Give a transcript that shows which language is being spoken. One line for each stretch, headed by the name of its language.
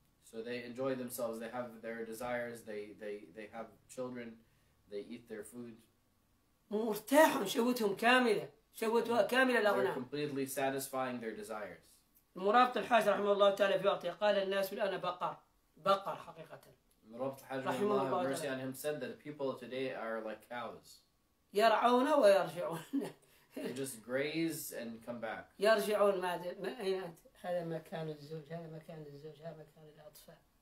English: So they enjoy themselves, they have their desires, they have children. They eat their food.
Arabic: مرتاحون شهوتهم كاملة شهوتها كاملة الأغنام.
English: They're completely satisfying their desires.
Arabic: المرابط الحاج رحمه الله تعالى في وقته قال الناس الآن بقر بقر حقيقة.
English: المرابط الحاج
Arabic: رحمه الله
English: have mercy on him said that people today are like cows.
Arabic: يرعون ويرجعون.
English: They just graze and come back.
Arabic: يرجعون ما أين أنت هذا مكان الزوج هذا مكان الزوج هذا مكان الأطفال.